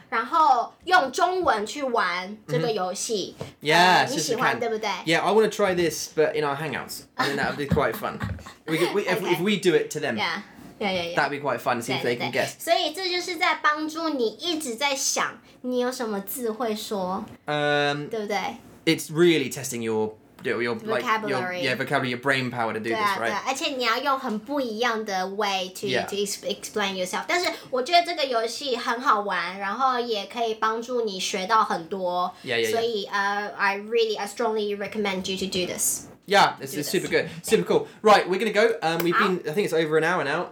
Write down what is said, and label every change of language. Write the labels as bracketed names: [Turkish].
[Chinese] 然后用中文去玩这个游戏。 [English] Mm-hmm. Yeah. [Chinese] 你喜欢对不对 [English] ？Yeah, I want to try this, but in our hangouts. I think that would be quite fun. If we do it to them. Yeah. Yeah. That'd be quite fun. See if they can guess. [Chinese] 所以这就是在帮助你一直在想你有什么字会说，对不对 [English] ？It's really testing your vocabulary, your brain power to do this, right? [Chinese] 对，而且你要用很不一样的 [English] way to explain yourself. [Chinese] 但是我觉得这个游戏很好玩，然后也可以帮助你学到很多。 [English] Yeah. 所以I strongly recommend you to do this. Yeah, it's super good. Super cool. Right, we're going to go. I think it's over an hour now.